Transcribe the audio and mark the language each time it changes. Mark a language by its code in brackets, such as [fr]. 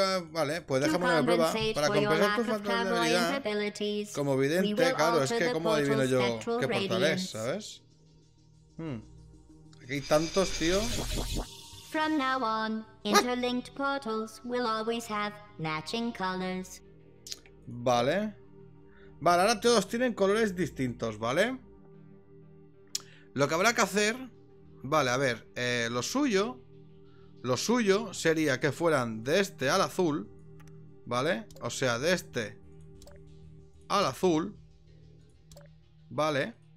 [es] Vale, pues déjame una prueba. Para compensar tu falta de habilidad como vidente, claro, es que cómo adivino yo qué portal es, ¿sabes? Aquí hay tantos, tío... [en] From now on, interlinked portals will always have matching colors. [es] Vale. Vale, ahora todos tienen colores distintos, ¿vale? Lo que habrá que hacer Vale, a ver, lo suyo sería que fueran de este al azul, ¿vale? O sea, de este al azul, ¿vale?